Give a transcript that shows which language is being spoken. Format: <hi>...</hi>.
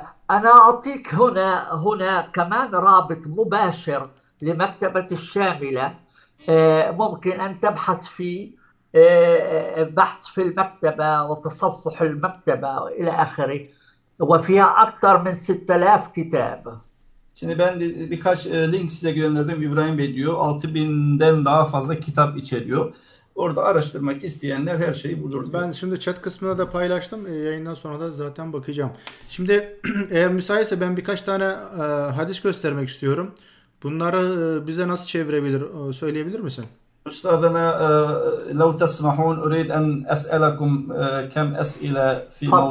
<ar>أنا أعطيك هنا كمان رابط مباشر لمكتبة الشاملة، ممكن أن تبحث فيه، بحث في المكتبة وتصفح المكتبة إلى آخره، وفيها أكثر من 6000 كتاب.</ar> <tr>Şimdi ben de birkaç link size gönderdim İbrahim Bey diyor. 6000'den daha fazla kitap içeriyor. Orada araştırmak isteyenler her şeyi bulur diyor. Ben şimdi chat kısmına da paylaştım. Yayından sonra da zaten bakacağım. Şimdi eğer müsaitse ben birkaç tane hadis göstermek istiyorum. Bunları bize nasıl çevirebilir, söyleyebilir misin?</tr> <ar>Üstadına لو تسمحون أريد أن أسألكم كم أسئلة في موضوع</ar>